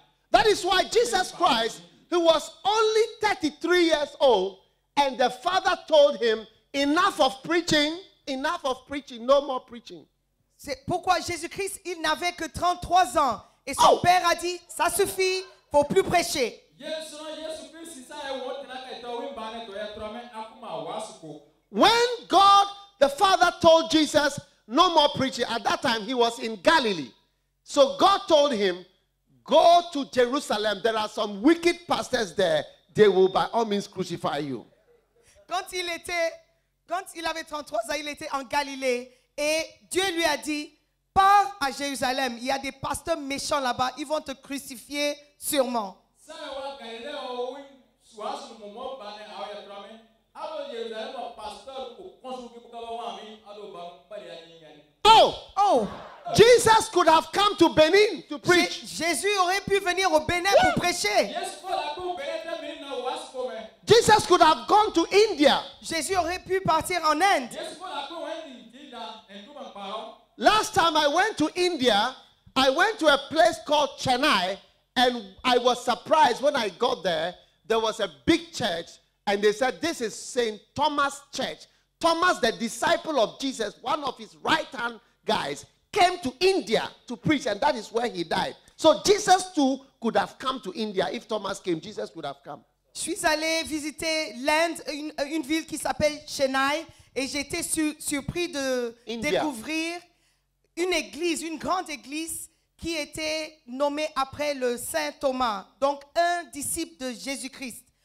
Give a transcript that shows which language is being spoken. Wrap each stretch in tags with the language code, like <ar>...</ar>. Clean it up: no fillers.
<en>That is why Jesus Christ, who was only 33 years old, and the Father told him, enough of preaching, no more preaching.</en> <fr>C'est pourquoi Jésus-Christ, il n'avait que 33 ans, et son père a dit, ça suffit, faut plus prêcher.</fr> <en>When God, the Father told Jesus, no more preaching. At that time, he was in Galilee. So God told him, go to Jerusalem. There are some wicked pastors there. They will by all means crucify you.</en> <fr>Quand il avait 33 ans, il était en Galilée. Et Dieu lui a dit, pars à Jérusalem. Il y a des pasteurs méchants là-bas. Ils vont te crucifier sûrement. Ça,</fr> <en>So, Jesus could have come to Benin to preach.</en> <fr>Jésus aurait pu venir au Bénin pour prêcher.</fr> <en>Jesus could have gone to India.</en> <fr>Jésus aurait pu partir en Inde.</fr> <en>Last time I went to India, I went to a place called Chennai, and I was surprised when I got there. There was a big church, and they said, this is St. Thomas Church. Thomas, the disciple of Jesus, one of his right-hand guys, came to India to preach, and that is where he died. So Jesus too could have come to India. If Thomas came, Jesus could have come.</en> <fr>Je suis allé visiter l'Inde, une ville qui s'appelle Chennai, et j'étais surpris de India. Découvrir une église, une grande église qui était nommée après le Saint Thomas, donc un disciple de Jésus-Christ.</fr>